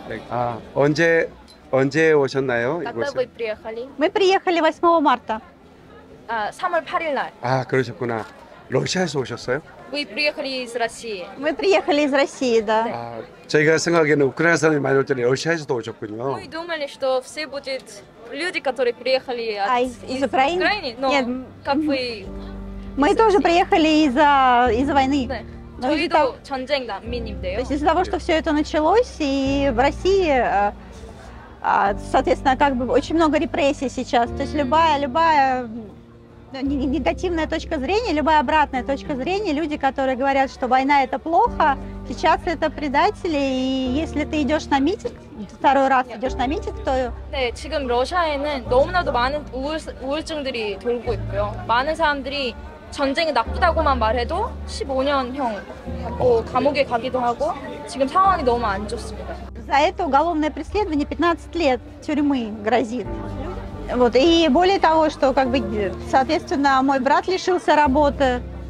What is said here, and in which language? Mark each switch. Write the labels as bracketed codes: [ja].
[ko] А, 언제 오셨나요? [ru] Когда вы приехали? Мы приехали 8 марта. [ko] 3월 8일 날. 아, 그러셨구나. 러시아에서 오셨어요? [ru] Вы приехали из России. Мы приехали из России, да. [ko] 아, 제가 생각에는 우크라이나 사람이 많이 올 때 러시아에서도 오셨군요. [ru] Мы думали, что все будут люди, которые приехали из Украины. Но нет, как вы? Мы тоже приехали из-за войны. Да. То есть из-за того, что все это началось, и в России, соответственно, как бы очень много репрессий сейчас. То есть любая негативная точка зрения, любая обратная точка зрения, люди, которые говорят, что война это плохо, сейчас это предатели, и если ты идешь на митинг, второй раз идешь на митинг, то... Да, сейчас в России много уязвимостей. [ko] 전쟁이 나쁘다고만 말해도 15년형 받고 감옥에 가기도 하고 지금 상황이 너무 안 좋습니다. [ru] За это уголовное преследование 15 лет тюрьмы грозит. Вот и более того, что как бы соответственно мой брат лишился работы.